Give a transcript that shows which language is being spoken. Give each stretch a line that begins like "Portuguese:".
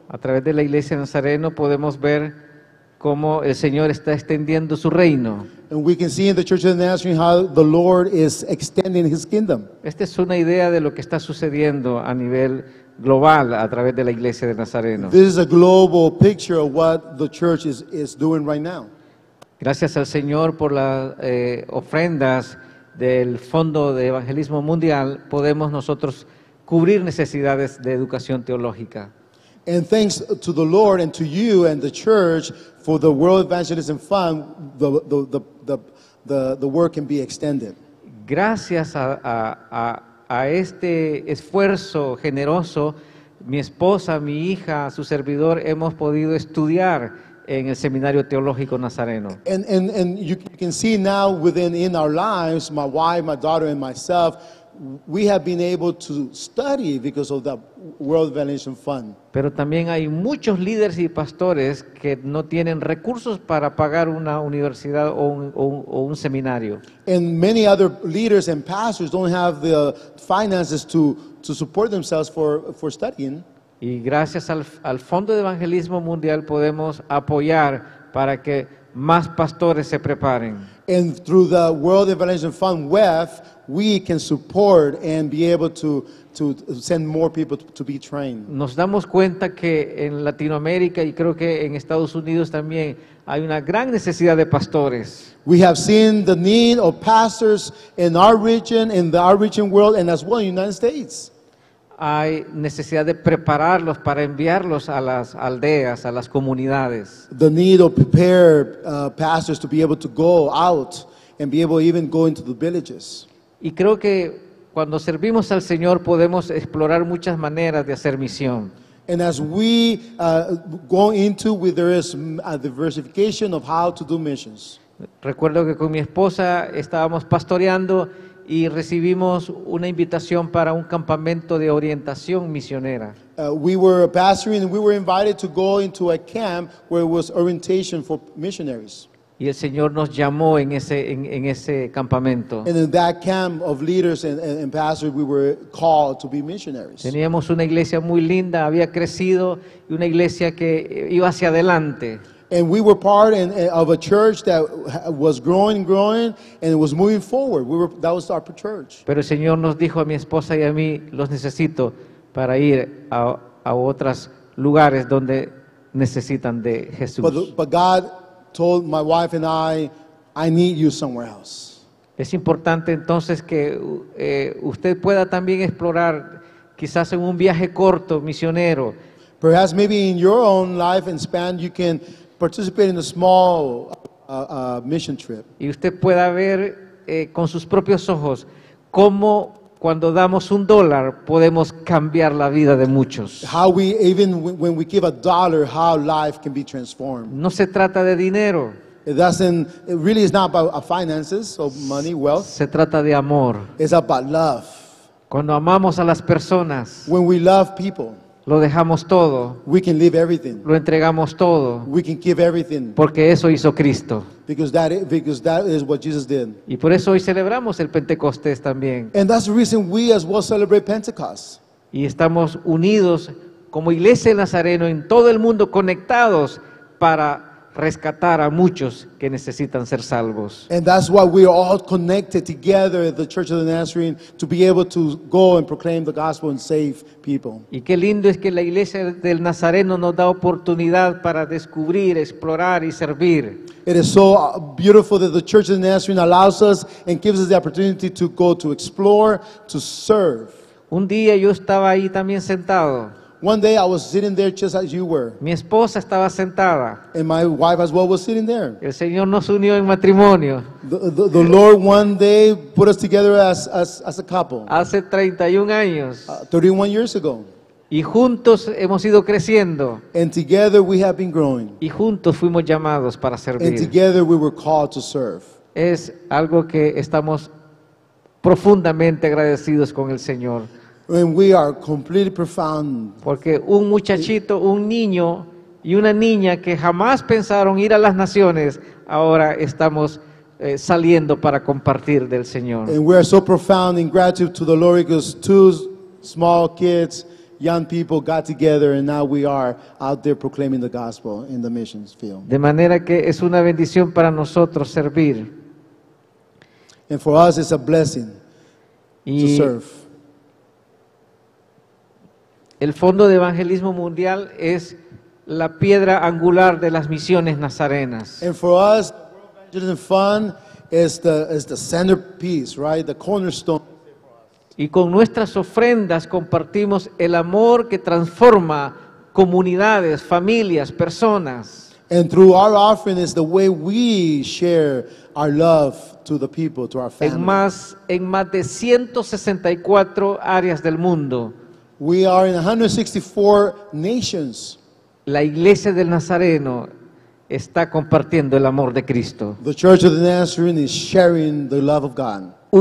Spanish: A través de la Iglesia de Nazareno podemos ver cómo el Señor está extendiendo su reino.
English: And we can see in the Church of the Nazarene how the Lord is extending His kingdom.
Spanish: Esta es una idea de lo que está sucediendo a nivel global a través de la Iglesia de Nazareno.
English: This is a global picture of what the church is doing right now.
Spanish: Gracias al Señor por las ofrendas del Fondo de Evangelismo Mundial, podemos nosotros cubrir necesidades de educación teológica.
English: And thanks to the Lord and to you and the church for the World Evangelism Fund, the work can be extended.
Spanish: Gracias a este esfuerzo generoso, mi esposa, mi hija, su servidor, hemos podido estudiar en el Seminario Teológico Nazareno.
English: And you can see now within in our lives, my wife, my daughter, and myself, we have been able to study because of the World Evangelism Fund.
Spanish: Pero también hay muchos líderes y pastores que no tienen recursos para pagar una universidad o un seminario.
English: And many other leaders and pastors don't have the finances to support themselves for studying.
Spanish: Y gracias al Fondo de Evangelismo Mundial podemos apoyar para que más pastores se preparen.
English: And through the World Evangelism Fund WEF, we can support and be able to send more people to be trained.
Spanish: Nos damos cuenta que en Latinoamérica y creo que en Estados Unidos también hay una gran necesidad de pastores.
English: We have seen the need of pastors in our region, in the outreaching world, and as well in the United States.
Spanish: Hay necesidad de prepararlos para enviarlos a las aldeas, a las comunidades.
English: The need of prepare pastors to be able to go out and be able to even go into the villages.
Spanish: Y creo que cuando servimos al Señor podemos explorar muchas maneras de hacer misión.
English: And as we go into, there is a diversification of how to do missions.
Spanish: Recuerdo que con mi esposa estábamos pastoreando y recibimos una invitación para un campamento de orientación misionera.
English: We were pastoring and we were invited to go into a camp where it was orientation for missionaries.
Spanish: Y el Señor nos llamó en ese campamento.
English: And in that camp of leaders and pastors, we were called to be missionaries.
Spanish: Teníamos una iglesia muy linda, había crecido, y una iglesia que iba hacia adelante.
English: And we were part of a church that was growing, and it was moving forward. That was our church.
Spanish: Pero el Señor nos dijo a mi esposa y a mí, los necesito para ir a otros lugares donde necesitan de Jesús.
English: But God told my wife and I need you somewhere else.
Spanish: Es importante entonces que usted pueda también explorar, quizás en un viaje corto, misionero.
English: Perhaps maybe in your own life and span, you can participate in a small mission trip.
Spanish: Y usted pueda ver con sus propios ojos cómo cuando damos un dólar podemos cambiar la vida de muchos.
English: How we, even when we give a dollar, how life can be transformed.
Spanish: No se trata de dinero.
English: It really is not about finances or money, wealth.
Spanish: Se trata de amor.
English: It's about love.
Spanish: Cuando amamos a las personas.
English: When we love people.
Spanish: Lo dejamos todo.
English: We can leave everything.
Spanish: Lo entregamos todo.
English: We can give everything.
Spanish: Porque eso hizo Cristo.
English: Because that is what Jesus did.
Spanish: Y por eso hoy celebramos el Pentecostés también.
English: And that's the reason we as well celebrate Pentecost.
Spanish: Y estamos unidos como Iglesia del Nazareno en todo el mundo, conectados para rescatar a muchos que necesitan ser salvos.
English: And that's why we are all connected together at the Church of the Nazarene to be able to go and proclaim the gospel and save people.
Spanish: Y qué lindo es que la Iglesia del Nazareno nos da oportunidad para descubrir, explorar y servir.
English: It is so beautiful that the Church of the Nazarene allows us and gives us the opportunity to go to explore, to serve.
Spanish: Un día yo estaba ahí también sentado.
English: One day I was sitting there just as you were.
Spanish: Mi esposa estaba sentada.
English: And my wife as well was sitting there.
Spanish: El Señor nos unió en matrimonio.
English: The Lord one day put us together as a couple.
Spanish: Hace 31 años.
English: 31 years ago.
Spanish: Y juntos hemos ido creciendo.
English: And together we have been growing.
Spanish: Y juntos fuimos llamados para servir.
English: And together we were called to serve.
Spanish: Es algo que estamos profundamente agradecidos con el Señor.
English: And we are completely profound.
Spanish: Porque un muchachito, un niño y una niña que jamás pensaron ir a las naciones, ahora estamos saliendo para compartir del Señor.
English: And we are so profound in gratitude to the Lord because two small kids, young people got together and now we are out there proclaiming the gospel in the missions field.
Spanish: De manera que es una bendición para nosotros servir.
English: And for us it's a blessing to serve.
Spanish: El Fondo de Evangelismo Mundial es la piedra angular de las misiones nazarenas.
English: And for us, the World Evangelism Fund is the centerpiece, right? The cornerstone.
Spanish: Y con nuestras ofrendas compartimos el amor que transforma comunidades, familias, personas.
English: And through our offering is the way we share our love to the people, to our family.
Spanish: En más de 164 áreas del mundo.
English: We are in 164 nations.
Spanish: La Iglesia del Nazareno está compartiendo el amor de Cristo.
English: The Church of the Nazarene is sharing the love of God.